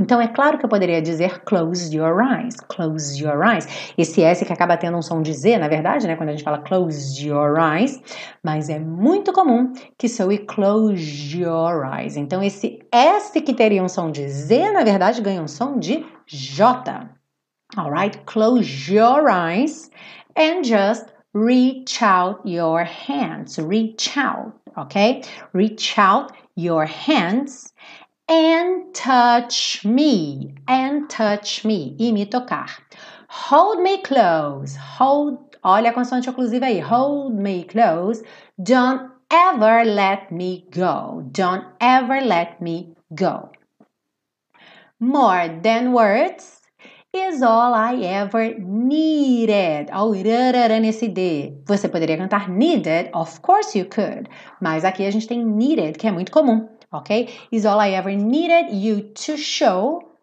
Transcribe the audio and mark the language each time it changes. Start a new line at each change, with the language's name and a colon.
Portuguese: Então, é claro que eu poderia dizer
English: close your eyes.
Portuguese: Esse S que acaba tendo um som de Z, na verdade, né? Quando a gente fala
English: close your eyes.
Portuguese: Mas é muito comum que soe close your eyes. Então, esse S que teria um som de Z, na verdade, ganha um som de J.
English: Alright? Close your eyes and just reach out your hands, reach out, ok? Reach out your hands and touch me,
Portuguese: e me tocar.
English: Hold me close, hold,
Portuguese: Olha a consoante oclusiva aí.
English: Hold me close. Don't ever let me go. Don't ever let me go. More than words is all I ever needed.
Portuguese: Oh, irarara nesse D. Você poderia cantar needed,
English: of course you could.
Portuguese: Mas aqui a gente tem needed, que é muito comum, ok?
English: Is all I ever needed you to show.